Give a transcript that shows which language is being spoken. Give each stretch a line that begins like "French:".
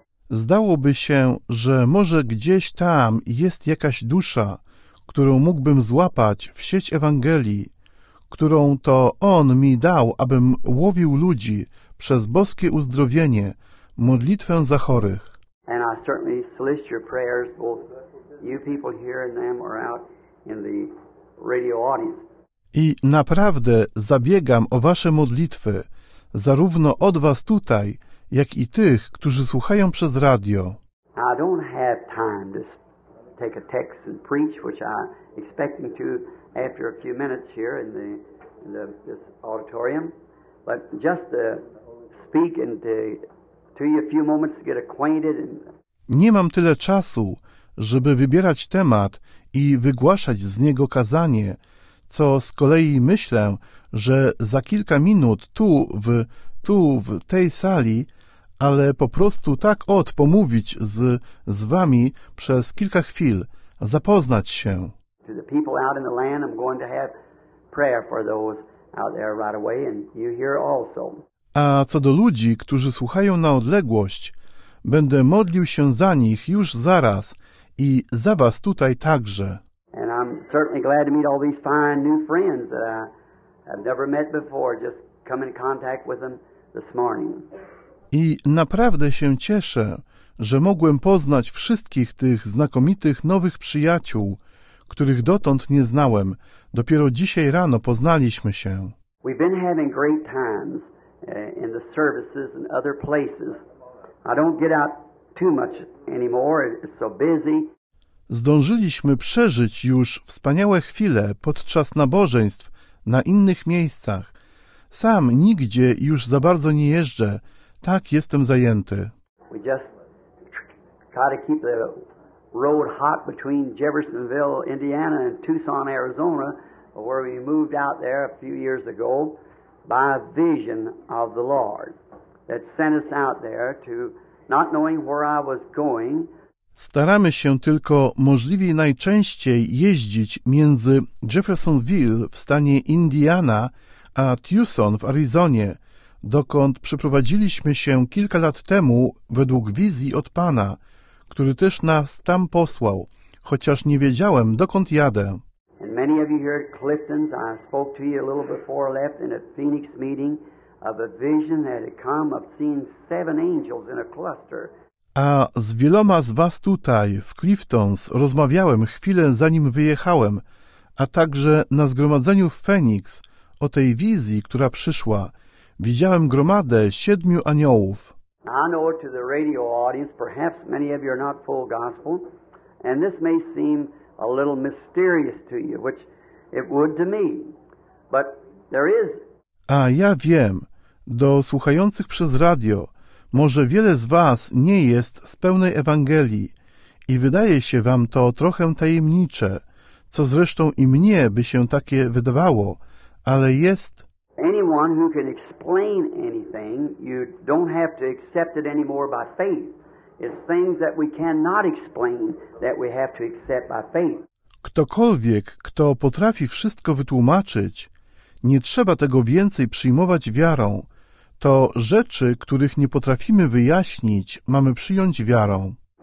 Polish: Zdałoby się, że może gdzieś tam jest jakaś dusza, którą mógłbym złapać w sieć Ewangelii, którą to On mi dał, abym łowił ludzi przez boskie uzdrowienie, modlitwę za chorych.
English: And I certainly solicit your prayers, both you people here and them or out in the radio audience.
Polish: I naprawdę zabiegam o wasze modlitwy, zarówno od was tutaj, jak i tych, którzy słuchają przez radio.
English: I don't have time to take a text and preach, which I expecting to after a few minutes here in this auditorium, but just to speak and to you a few moments to get acquainted.
Polish: Nie mam tyle czasu, żeby wybierać temat i wygłaszać z niego kazanie, co z kolei myślę, że za kilka minut tu w tej sali, ale po prostu tak od pomówić z wami przez kilka chwil, zapoznać się.
English: To the people out in the land, I'm going to have prayer for those out there right away, and you here also.
Polish: A co do ludzi, którzy słuchają na odległość, będę modlił się za nich już zaraz i za was tutaj także.
English: And I'm certainly glad to meet all these fine new friends that I have never met before, just come in contact with them this morning.
Polish: I naprawdę się cieszę, że mogłem poznać wszystkich tych znakomitych nowych przyjaciół, których dotąd nie znałem. Dopiero dzisiaj rano poznaliśmy się.
English: We've been having great times in the services and other places. I don't get out too much anymore, it's so busy.
Polish: Zdążyliśmy przeżyć już wspaniałe chwile podczas nabożeństw na innych miejscach. Sam nigdzie już za bardzo nie jeżdżę. Tak jestem zajęty.
English: We just try to keep the road hot between Jeffersonville, Indiana and Tucson, Arizona, where we moved out there a few years ago by a vision of the Lord that sent us out there to not knowing where I was going.
Polish: Staramy się tylko możliwie najczęściej jeździć między Jeffersonville w stanie Indiana a Tucson w Arizonie, dokąd przeprowadziliśmy się kilka lat temu według wizji od Pana, który też nas tam posłał, chociaż nie wiedziałem, dokąd jadę.
English: And many of you here at Clifton's, I spoke to you a little before I left in a Phoenix meeting of a vision that had come of seeing seven angels in a cluster.
Polish: A z wieloma z was tutaj, w Clifton's, rozmawiałem chwilę zanim wyjechałem, a także na zgromadzeniu w Phoenix o tej wizji, która przyszła. Widziałem gromadę siedmiu aniołów.
English: I know to the radio audience, perhaps many of you are not full gospel, and this may seem a little mysterious to you, which it would to me, but there is.
Polish: A ja wiem, do słuchających przez radio, może wiele z was nie jest z pełnej Ewangelii i wydaje się wam to trochę tajemnicze, co zresztą i mnie by się takie wydawało, ale jest.
English: Anyone who can explain anything, you don't have to accept it anymore by faith. It's things that we cannot explain that we have to accept by faith.
Polish: Ktokolwiek, kto potrafi wszystko wytłumaczyć, nie trzeba tego więcej przyjmować wiarą. To rzeczy, których nie potrafimy wyjaśnić, mamy przyjąć wiarą.